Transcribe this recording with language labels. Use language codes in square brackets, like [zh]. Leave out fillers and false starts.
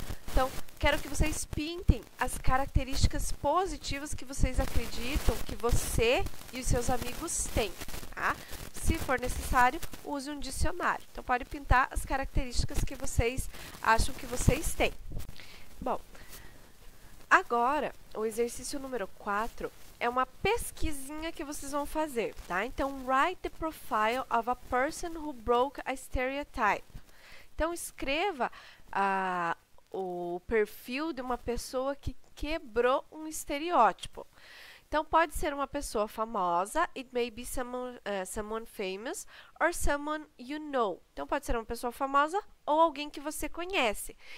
[pt] Então, quero que vocês pintem as características positivas que vocês acreditam que você e os seus amigos têm. Tá? Se for necessário, use um dicionário. Então, pode pintar as características que vocês acham que vocês têm. Bom, agora, o exercício número 4 é uma pesquisinha que vocês vão fazer, tá? [en] Então, write the profile of a person who broke a stereotype. [pt] Então, escreva o perfil de uma pessoa que quebrou um estereótipo. Então, pode ser uma pessoa famosa, [en] it may be someone famous or someone you know. [pt] Então, pode ser uma pessoa famosa ou alguém que você conhece.